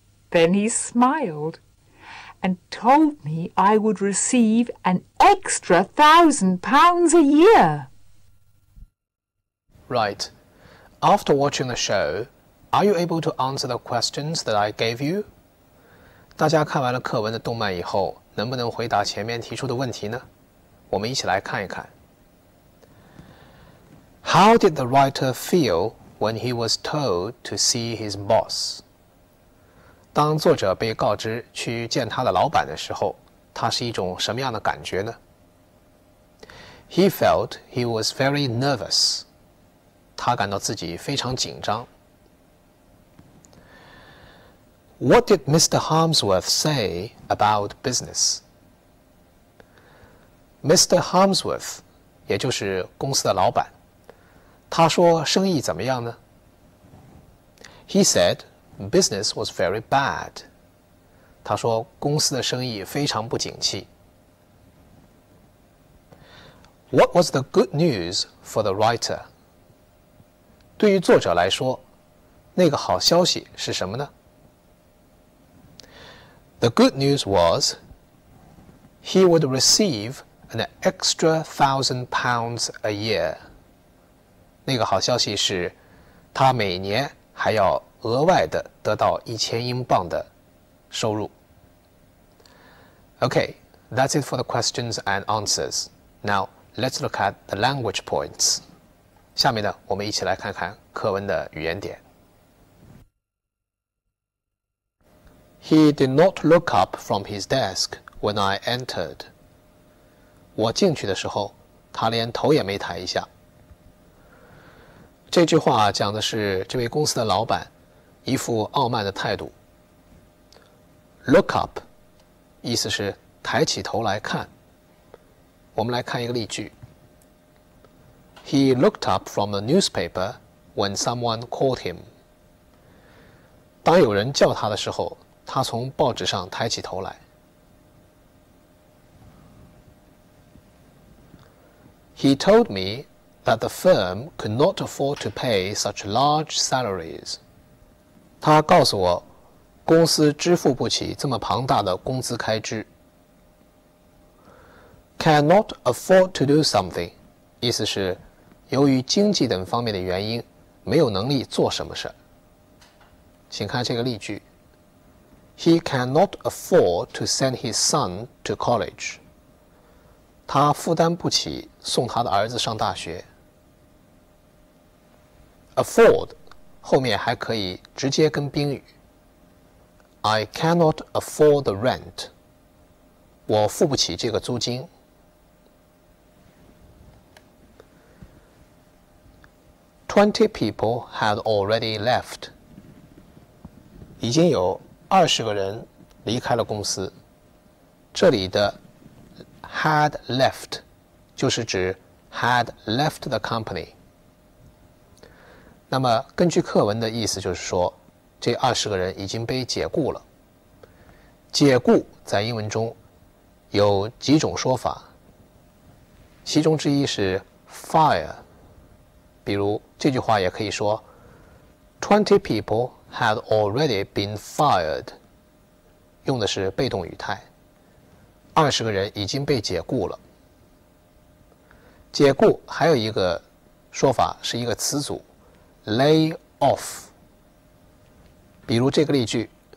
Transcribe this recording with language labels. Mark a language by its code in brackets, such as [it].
[en] Then he smiled and told me I would receive an extra £1,000 a year. Right. After watching the show, are you able to answer the questions that I gave you? [zh] 大家看完了课文的动漫以后，能不能回答前面提出的问题呢？我们一起来看一看。 [en] How did the writer feel when he was told to see his boss? [zh] 当作者被告知去见他的老板的时候，他是一种什么样的感觉呢？ [en] He felt he was very nervous. [zh] 他感到自己非常紧张。 [en] What did Mr. Harmsworth say about business? [zh] Mr. Harmsworth, 也就是公司的老板。他说生意怎么样呢? [en] He said business was very bad. [zh] 他说公司的生意非常不景气。 [en] What was the good news for the writer? [zh] 对于作者来说,那个好消息是什么呢? [en] The good news was he would receive an extra £1,000 a year. [zh] 那个好消息是他每年还要额外的得到£1,000的收入。 [en] Okay, that's it for the questions and answers. Now, let's look at the language points. [zh] 下面呢，我们一起来看看课文的语言点。 [en] He did not look up from his desk when I entered. [zh] 我进去的时候，他连头也没抬一下。这句话讲的是这位公司的老板一副傲慢的态度。 [en] Look up, [zh] 意思是抬起头来看。我们来看一个例句。 [en] He looked up from the newspaper when someone called him. [zh] 当有人叫他的时候，他从报纸上抬起头来。 [en] He told me that the firm could not afford to pay such large salaries. [zh] 他告诉我，公司支付不起这么庞大的工资开支。 [en] Cannot afford to do something, [zh] 意思是由于经济等方面的原因，没有能力做什么事。请看这个例句。 [en] He cannot afford to send his son to college. [zh] 他负担不起送他的儿子上大学。 [en] Afford [zh] 后面还可以直接跟宾语。 [en] I cannot afford the rent. [zh] 我付不起这个租金。 [en] 20 people had already left. [zh] 已经有20个人离开了公司。这里的 had left 就是指 [en] had left the company。 [zh] 那么根据课文的意思就是说，这20个人已经被解雇了。解雇在英文中有几种说法，其中之一是 fire。比如这句话也可以说 [en] 20 people had already been fired， [zh] 用的是被动语态，20个人已经被解雇了。解雇还有一个说法是一个词组 lay off， 比如这个例句